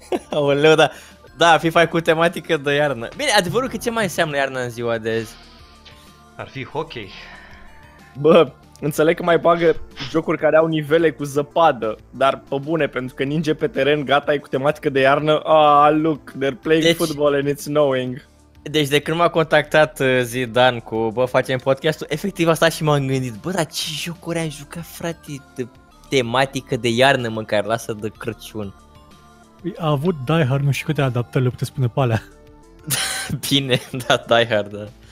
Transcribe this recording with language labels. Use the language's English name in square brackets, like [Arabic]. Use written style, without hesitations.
[Romanian] Aoleu, da, FIFA e cu tematică de iarnă. Bine, adevărul că ce mai înseamnă iarnă în ziua de azi? Ar fi hockey. Bă, înțeleg că mai bagă jocuri care au nivele cu zăpadă, dar pe bune, pentru că ninge pe teren, gata, e cu tematică de iarnă. [English] Ah, look, they're playing football and it's snowing. [Romanian] Deci de când m-a contactat Zidane cu, bă, facem podcastul, efectiv asta și m-am gândit, bă, dar ce jocuri ai jucat, frate, de tematică de iarnă, măcar, lasă de Crăciun. A avut Die Hard, nu știu câte adaptări le puteți spune pe alea. Bine, da, Die Hard, da.